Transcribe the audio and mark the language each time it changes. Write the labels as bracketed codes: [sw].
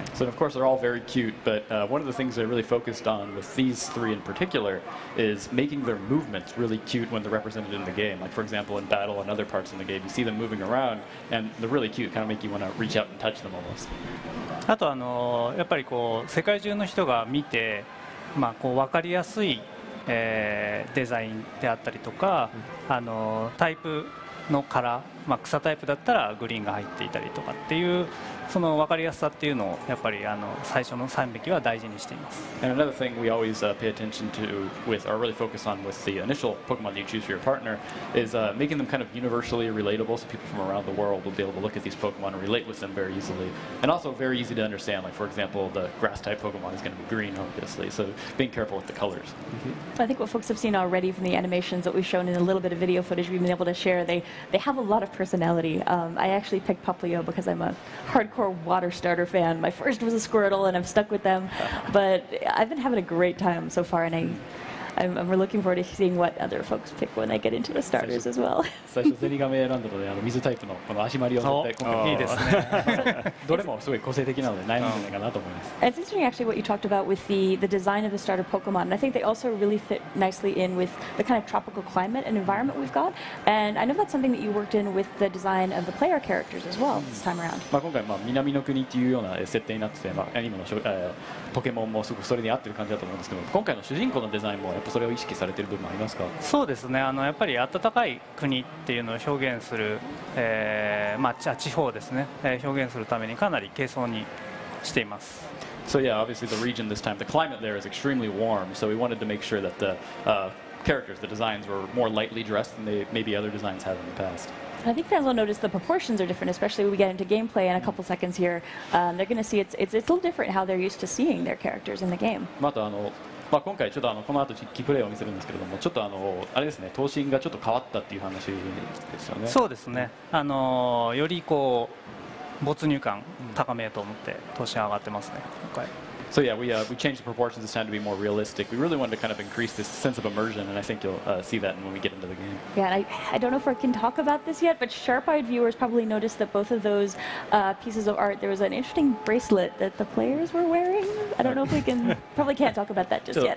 [en] So of course they're all very cute, but one of the things they're really focused on with these three in particular is making their movements really cute when they're represented in the game. Like for example in battle and other parts in the game, you see them moving around and they're really cute, kind of make you want to reach out and touch them almost. [ja] あとやっぱりこう世界中の人が見て、まあ、こう分かりやすい、デザインであったりとか、タイプのカラー、まあ、草タイプだったらグリーンが入っていたりとかっていうその分かりやすさっていうのをやっぱり最初の3匹は大事にしています。 [en] And another thing we always pay attention to with or really focus on with the initial Pokemon that you choose for your partner is making them kind of universally relatable so people from around the world will be able to look at these Pokemon and relate with them very easily and also very easy to understand like for example the grass type Pokemon is going to be green obviously so being careful with the colors. I think what folks have seen already from the animations that we've shown in a little bit of video footage we've been able to share they have a lot of personality. I actually picked Popplio because I'm a hardcore water starter fan. My first was a Squirtle and I've stuck with them. But I've been having a great time so far and I'm looking forward to seeing what other folks pick when they get into the starters as well. [ja] 最初ゼニガメ選んだので水タイプのこのアシマリを取って今回いいですね。どれもすごい個性的なので悩むんじゃないかなと思います。 [en] It's interesting actually what you talked about with the design of the starter Pokemon. I think they also really fit nicely in with the kind of tropical climate and environment we've got. And I know that's something that you worked in with the design of the player characters as well this time around. [ja] 今回まあ南の国というような設定になってて、まあ、アニメのポケモンもすごくそれに合ってる感じだと思うんですけど、今回の主人公のデザインもそれを意識されている部分もありますか？そうですね、やっぱり暖かい国っていうのを表現する、まあ、地方ですね、表現するためにかなり軽装にしています。 [en] So yeah, obviously the region this time, the climate there is extremely warm, so we wanted to make sure that the characters, the designs were more lightly dressed than they, maybe other designs have in the past. I think fans will notice the proportions are different, especially when we get into gameplay in a couple seconds here. They're going to see it's a little different how they're used to seeing their characters in the game. [ja] またまあ、今回ちょっとこの後実機プレイを見せるんですけれども、ちょっとあれですね、頭身がちょっと変わったっていう話ですよね。そうですね、よりこう没入感高めと思って頭身上がってますね、今回。 [en] So yeah, we changed the proportions this time to be more realistic. We really wanted to kind of increase this sense of immersion, and I think you'll see that when we get into the game. Yeah, and I don't know if I can talk about this yet, but sharp-eyed viewers probably noticed that both of those pieces of art, there was an interesting bracelet that the players were wearing. I don't know if we can, probably can't talk about that just yet.